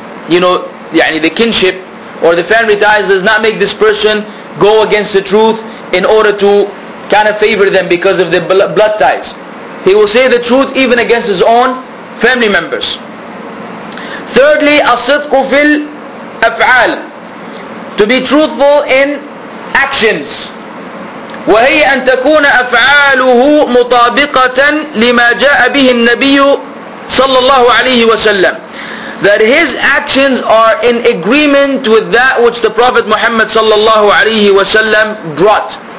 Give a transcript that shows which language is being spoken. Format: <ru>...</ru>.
<en>You know, يعني the kinship or the family ties does not make this person go against the truth in order to kind of favor them because of the blood ties. He will say the truth even against his own family members. Thirdly,</en> <ar>الصدق في الأفعال.</ar> <en>To be truthful in actions.</en> <ar>وهي أن تكون أفعاله مطابقة لما جاء به النبي صلى الله عليه وسلم.</ar> <en>That his actions are in agreement with that which the Prophet Muhammad صلى الله عليه وسلم brought.</en>